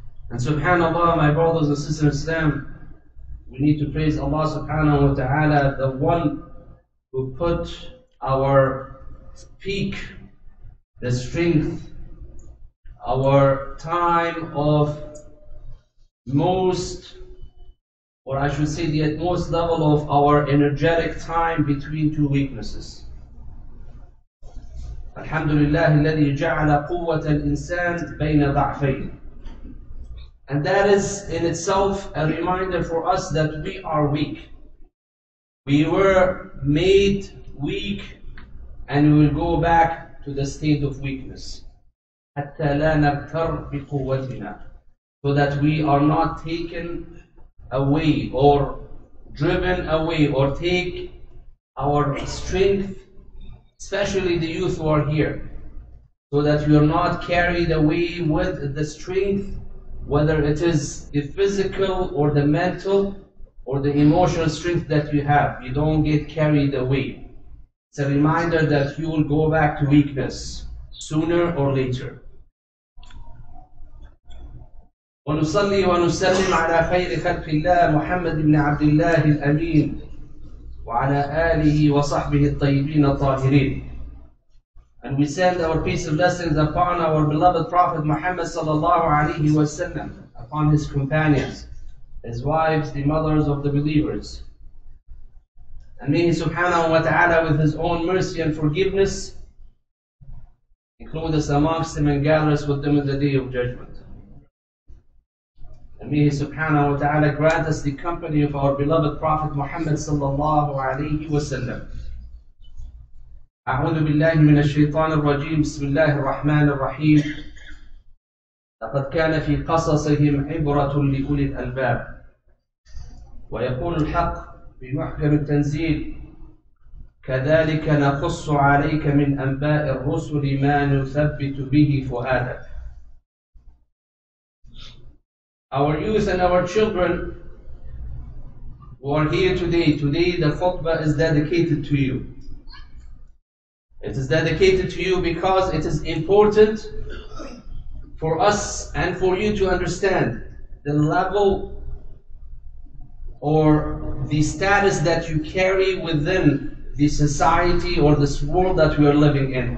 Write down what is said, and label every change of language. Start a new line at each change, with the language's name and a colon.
English: And subhanallah, my brothers and sisters in Islam, we need to praise Allah subhanahu wa ta'ala, the one who put our peak, the strength, our time of most, or I should say the utmost level of our energetic time between two weaknesses.
Arabic: Alhamdulillah, الذي جعل قوة الإنسان بين ضعفين.
English: And that is in itself a reminder for us that we are weak. We were made weak and we will go back to the state of weakness.
Arabic: حَتَّى لَا نَبْتَرْ بِقُوَّتِنَا.
English: So that we are not taken away or driven away or take our strength, especially the youth who are here, so that we are not carried away with the strength, whether it is the physical or the mental or the emotional strength that you have. You don't get carried away. It's a reminder that you will go back to weakness sooner or later.
Arabic: ونصلي ونسلم على خير خلق الله محمد بن عبد الله الأمين وعلى آله وصحبه الطيبين الطاهرين.
English: And we send our peace and blessings upon our beloved Prophet Muhammad sallallahu alayhi wa sallam, upon his companions, his wives, the mothers of the believers. And may he subhanahu wa ta'ala with his own mercy and forgiveness include us amongst him and gather us with them in the day of judgment. And may he subhanahu wa ta'ala grant us the company of our beloved Prophet Muhammad sallallahu alayhi wa sallam.
Arabic: أعوذ بالله من الشيطان الرجيم بسم الله الرحمن الرحيم لقد كان في قصصهم عبرة لأولي الألباب ويقول الحق بمحكم التنزيل كذلك نقص عليك من أنباء الرسل ما نثبت به فؤادك.
English: Our youth and our children who are here today, today the khutbah is dedicated to you. It is dedicated to you because it is important for us and for you to understand the level or the status that you carry within the society or this world that we are living in.